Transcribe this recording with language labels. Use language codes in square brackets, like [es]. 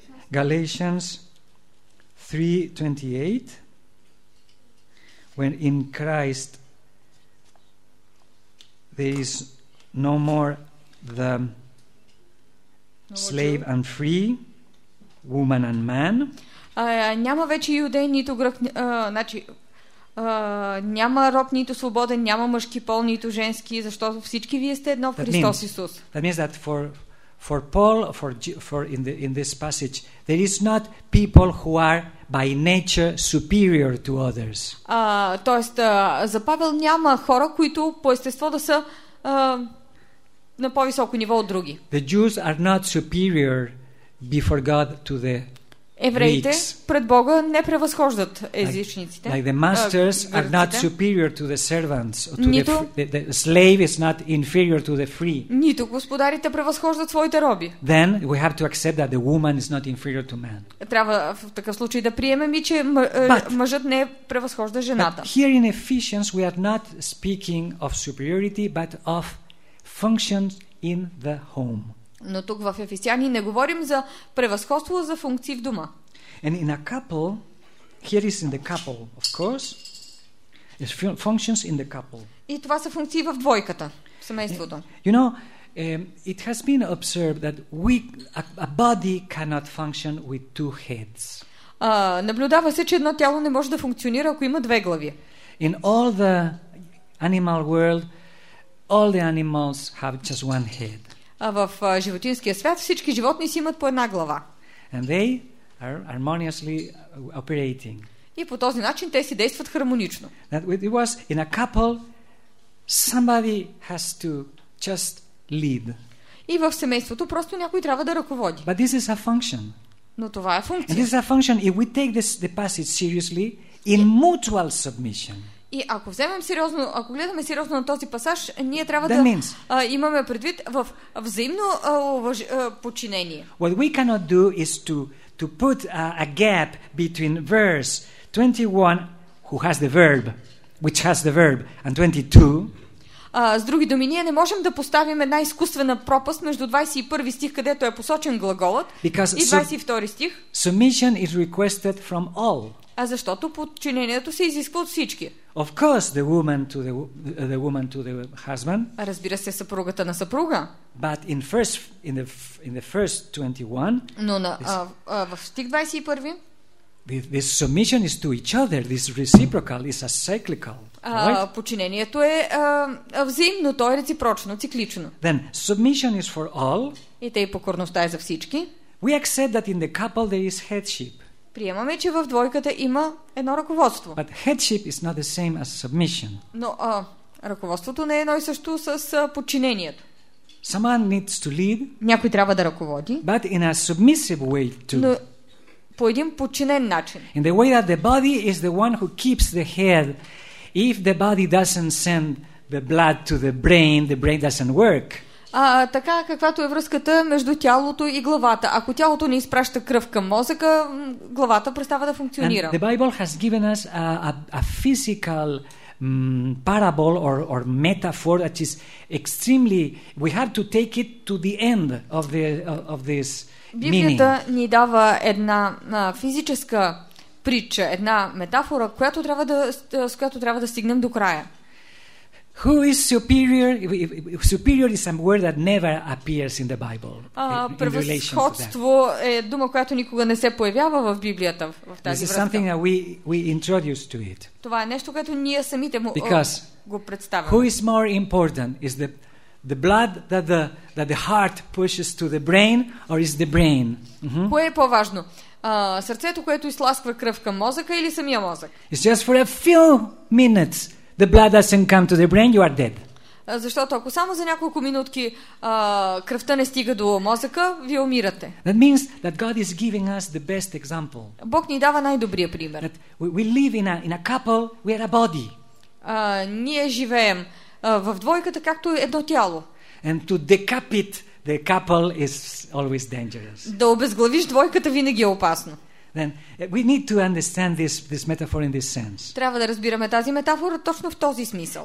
[en] Galatians 3:28, when in Christ there is no more the slave and free, woman and man. [bg] Няма вече юдей, нито грък, значи няма роб, нито свободен, няма мъжки пол, нито женски, защото всички вие сте едно в Христос Исус. [en] That means that for Paul, for in this passage, there is not people who are by nature superior to others. [bg] Тоест, за Павел няма хора, които по естество да са на по-високо ниво от други. [en] The Jews are not superior before God to the [bg] евреите пред Бога не превъзхождат езичниците. [en] Like the masters are not superior to the servants. The slave is not inferior to the free. [bg] Нито господарите превъзхождат своите роби. [en] Then we have to accept that the woman is not inferior to man. [bg] Трябва в такъв случай да приемем и че мъжът не превъзхожда жената. [en] But here in Ephesians we are not speaking of superiority but of functions in the home. [bg] Но тук в Ефесяни не говорим за превъзходство, за функции в дома. [en] And in a couple, here is in the couple, of course, functions in the couple. [bg] И това са функции в двойката, в семейството. [en] You know, it has been observed that a body cannot function with two heads. [bg] Наблюдава се, че едно тяло не може да функционира, ако има две глави. [en] In all the animal world, all the animals have just one head. [bg] А в животинския свят всички животни си имат по една глава. [en] And they are harmoniously operating. [bg] И по този начин те си действат хармонично. [en] That it was in a couple, somebody has to just lead. [bg] И в семейството просто някой трябва да ръководи. [en] But this is a function. [bg] Но това е функция. [en] And this is a function if we take the passage seriously in mutual submission. [bg] И ако вземем сериозно, ако гледаме сериозно на този пасаж, ние трябва [en] that [bg] да [en] means, [bg] имаме предвид в взаимно подчинение. [en] What we cannot do is to put a gap between verse 21, who has the verb, which has the verb, and 22. [bg] С други думи, ние не можем да поставим една изкуствена пропаст между 21 стих, където е посочен глаголът, [en] because [bg] и 22 стих. [en] Submission is requested from all. [bg] А защото подчинението се изисква от всички. [en] Of course, the woman to the husband. [bg] Разбира се, съпругата на съпруга. [en] But in the first 21. [bg] Но в стих 21. [en] This submission is to each other. This reciprocal is a cyclical. [bg] Подчинението е взаимно, то е реципрочно, циклично. [en] Then submission is for all. [bg] И тъй покорността е за всички. [en] We accept that in the couple there is headship. [bg] Приемаме, че в двойката има едно ръководство. [en] But headship is not the same as submission. [bg] Но ръководството не е едно и също с подчинението. [en] Someone needs to lead. [bg] Някой трябва да ръководи. [en] But in a submissive way too. [bg] Но по един подчинен начин. [en] In the way that the body is the one who keeps the head. If the body doesn't send the blood to the brain doesn't work. [bg] Така, каквато е връзката между тялото и главата. Ако тялото не изпраща кръв към мозъка, главата престава да функционира. [en] And the Bible has given us a physical parable or metaphor that is extremely, we have to take it to the end of this meaning. [bg] Библията ни дава една физическа притча, една метафора, с която трябва да стигнем до края. [en] Who is superior? Superior is a word that never appears in the Bible. [bg] Превъзходство е дума, която никога не се появява в Библията в тази връзка. [en] This is something that we introduce to it. [bg] Това е нещо, което ние самите му го представяме. [en] Who is more important? Is the blood that the heart pushes to the brain, or is the brain? [bg] Mm-hmm. Кое е по-важно? Сърцето, което изтласква кръв към мозъка, или самия мозък? [en] It's just for a few minutes. The blood doesn't come to the brain, you are dead. [bg] Защото ако само за няколко минутки кръвта не стига до мозъка, вие умирате. [en] That means that God is giving us the best example. [bg] Бог ни дава най-добрия пример. [en] We live in a couple, we are a body. [bg] Ние живеем в двойката както едно тяло. [en] And to decapitate the couple is always dangerous. [bg] Да обезглавиш двойката винаги е опасно. [en] Then we need to understand this metaphor in this sense. [bg] Трябва да разбираме тази метафора точно в този смисъл.